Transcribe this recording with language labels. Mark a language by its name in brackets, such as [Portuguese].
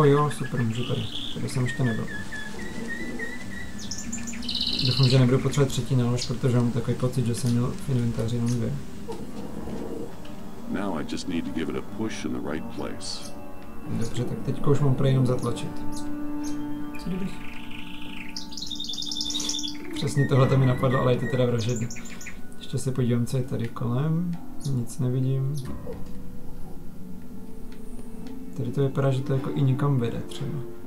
[Czech] Super, můžu tady. Tady jsem ještě nebyl. Doufám, že nebudu potřebovat třetí nálož, protože mám takový pocit, že jsem měl v inventáři jenom dvě. [English] Now I just need to give it a push in the right place. [Czech] Dobře, tak teďko už mám prý jenom zatlačit. Co kdybych? Přesně tohle to mi napadlo, ale je to teda vražedný. Ještě se podívám, co je tady kolem. Nic nevidím. Tady to vypadá, že to jako i někam vede třeba.